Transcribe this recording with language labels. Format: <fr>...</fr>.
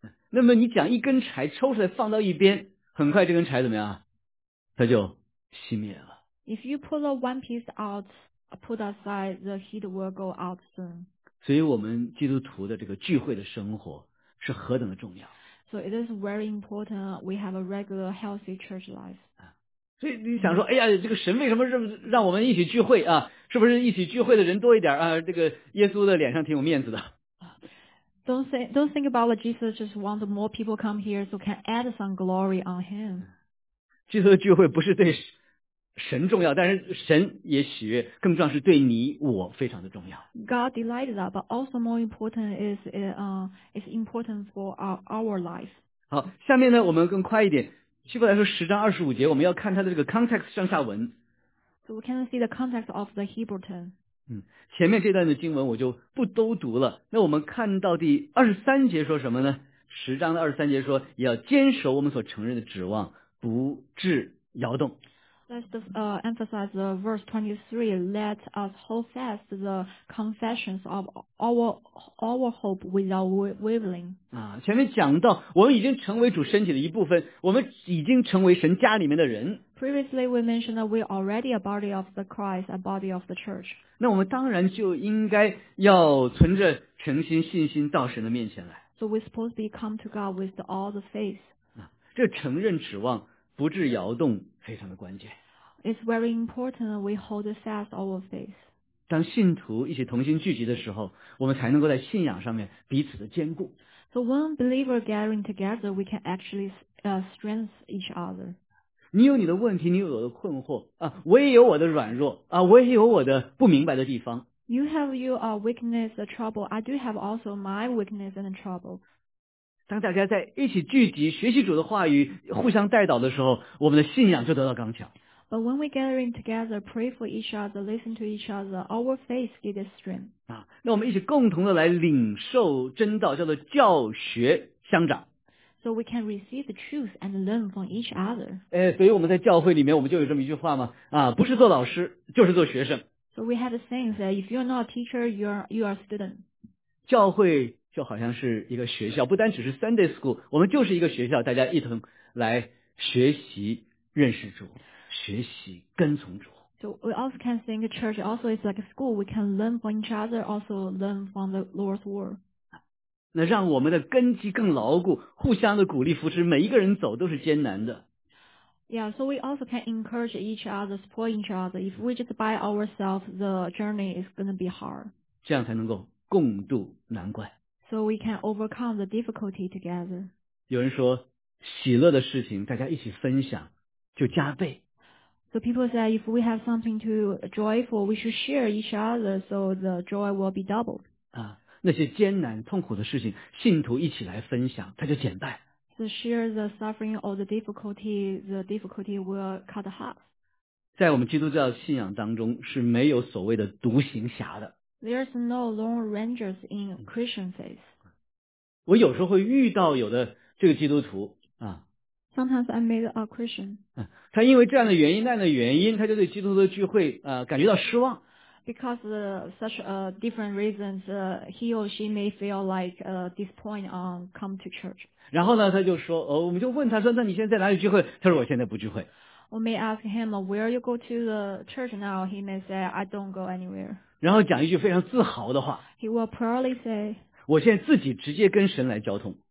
<zh>那么你讲一根柴抽出来放到一边，很快这根柴怎么样，它就熄灭了。</zh> <en>If you pull one piece out, put aside, the heat will go out soon.</en> <zh>所以我们基督徒的这个聚会的生活是何等的重要。</zh> <en>So it is very important we have a regular healthy church life.</en> <zh>所以你想说，哎呀，这个神为什么让我们一起聚会啊？是不是一起聚会的人多一点啊？这个耶稣的脸上挺有面子的。</zh> <en>Don't think about what Jesus just wants more people come here so can add some glory on him.</en> <zh>基督的聚会不是对神重要，但是神也喜悦，更重要是对你我非常的重要。</zh> <en>God delights that, but also more important is it's important for our life.</en> <zh>好，下面呢，我们更快一点。希伯来书十章二十五节，我们要看它的这个 context 上下文。</zh> <en>So we can see the context of the Hebrew term.</en> <zh>前面这段的经文我就不都读了。那我们看到第二十三节说什么呢？十章的二十三节说，也要坚守我们所承认的指望。不致摇动。</zh> <en>Let's emphasize the verse 23. Let us hold fast the confessions of our hope without wavering.</en> <zh>前面讲到我们已经成为主身体的一部分，我们已经成为神家里面的人。</zh> <en>Previously we mentioned that we are already a body of the Christ, a body of the church.</en> <zh>那我们当然就应该要存着诚心信心到神的面前来。</zh> <en>So we're supposed to come to God with all the faith.</en> <zh>这承认指望不致摇动非常的关键。</zh> <en>It's very important we hold fast our faith.</en> <zh>当信徒一起同心聚集的时候，我们才能够在信仰上面彼此的坚固。</zh> <en>So when believers gathering together, we can actually strengthen each other.</en> <zh>你有你的问题，你有我的困惑啊，我也有我的软弱啊，我也有我的不明白的地方。</zh> <en>You have your weakness, the trouble. I do have also my weakness and trouble.</en> <zh>当大家在一起聚集学习主的话语，互相带导的时候，我们的信仰就得到刚强。</zh> <en>But when we gathering together, pray for each other, listen to each other, our faith get strength.</en> <zh>那我们一起共同的来领受真道，叫做教学相长。</zh> <en>So we can receive the truth and learn from each other.</en> <zh>所以我们在教会里面，我们就有这么一句话嘛，不是做老师，就是做学生。</zh> <en>So we have a saying that if you're not a teacher, you are a student.</en> <zh>教会。就好像是一个学校，不单只是 Sunday School， 我们就是一个学校，大家一同来学习认识主，学习跟从主。</zh> <en>So we also can think church also is like a school. We can learn from each other, also learn from the Lord's word.</en> <zh>那让我们的根基更牢固，互相的鼓励扶持，每一个人走都是艰难的。</zh> <en>Yeah, so we also can encourage each other, support each other. If we just by ourselves, the journey is going to be hard.</en> <zh>这样才能够共度难关。</zh> <en>So we can overcome the difficulty together.</en> <zh>有人说，喜乐的事情大家一起分享就加倍。</zh> <en>So people say if we have something to joyful, we should share each other, so the joy will be doubled.</en> <zh>那些艰难痛苦的事情，信徒一起来分享，它就减半。</zh> <en>to share the suffering or the difficulty, the difficulty will cut half.</en> <zh>在我们基督教信仰当中是没有所谓的独行侠的。</zh> <en>There is no lone rangers in Christian faith.</en> <zh>我有时候会遇到有的这个基督徒啊。</zh> <en>Sometimes I meet a Christian.</en> <zh>他因为这样的原因那样的原因他就对基督徒的聚会感觉到失望。</zh> <en>Because such different reasons, he or she may feel like disappointed on come to church.</en> <zh>然后呢他就说我们就问他说那你现在在哪里聚会他说我现在不聚会。</zh> <en>We may ask him, where you go to the church now? He may say, I don't go anywhere.</en> <zh>然后讲一句非常自豪的话。</zh> <en>He will proudly say,</en> <zh>我现在自己直接跟神来交通。</zh>